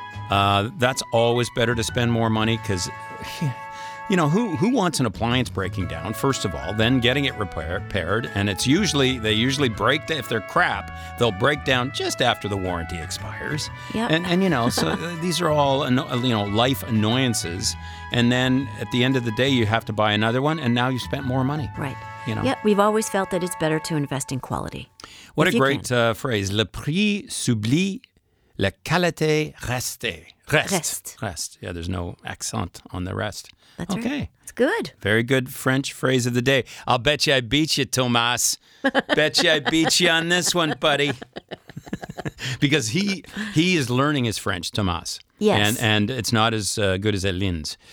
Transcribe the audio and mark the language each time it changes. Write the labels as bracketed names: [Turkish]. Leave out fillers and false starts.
[English] That's always better to spend more money because, you know, who wants an appliance breaking down, first of all, then getting it repaired, and they usually break, if they're crap, they'll break down just after the warranty expires. Yep. And you know, so these are all, you know, life annoyances, and then at the end of the day, you have to buy another one, and now you've spent more money. Right. You know? Yeah, we've always felt that it's better to invest in quality. What a great phrase. [French] Le prix s'oublie, la qualité reste. [English] Rest. Yeah, there's no accent on the rest. That's okay. Right. It's good. Very good French phrase of the day. I'll bet you I beat you, Tomas. Bet you I beat you on this one, buddy. Because he is learning his French, Tomas. Yes. And it's not as good as Eline's.